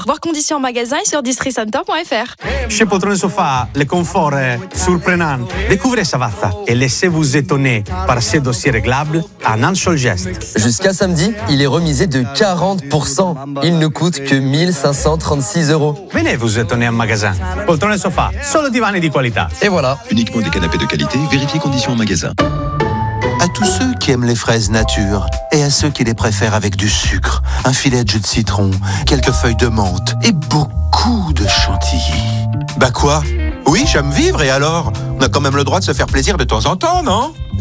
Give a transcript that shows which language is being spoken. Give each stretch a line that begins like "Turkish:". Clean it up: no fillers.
French: Voir conditions en magasin et sur districenter.fr. Chez Poltrone Sofa, le confort est surprenant. Découvrez Savazza et laissez-vous étonner par ses dossiers réglables en un seul geste. Jusqu'à samedi, il est remisé de 40%. Il ne coûte que 1536€. Venez vous étonner en magasin.
Italian: Poltrone Sofa, solo divani di qualità.
French: Et voilà. Uniquement des canapés de qualité, vérifiez conditions en magasin. À tous ceux qui aiment les fraises nature et à ceux qui les préfèrent avec du sucre, un filet de jus de citron, quelques feuilles de menthe et beaucoup de chantilly. Bah quoi ? Oui, j'aime vivre et alors ? On a quand même le droit de se faire plaisir de temps en temps, non ?